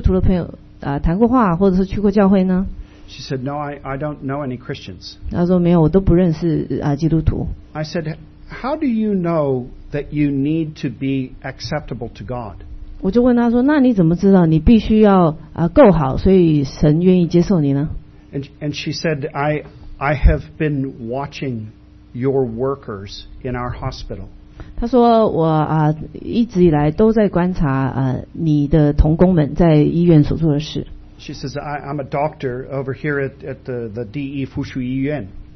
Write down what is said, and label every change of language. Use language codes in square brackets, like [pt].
[zh] 我问他说，你是不是有跟一些基督徒的朋友谈过话，或者是去过教会呢? [en] She said, no, I don't know any Christians. [zh] 他说没有，我都不认识基督徒。 [en] I said, how do you know that you need to be acceptable to God? [zh] 我就问他说，那你怎么知道你必须要够好，所以神愿意接受你呢？ [en] And she said, I have been watching your workers in our hospital. [zh] 他说我一直以来都在观察你的同工们在医院所做的事。 [en] She says, I'm a doctor over here at the DE [zh] 附属医院。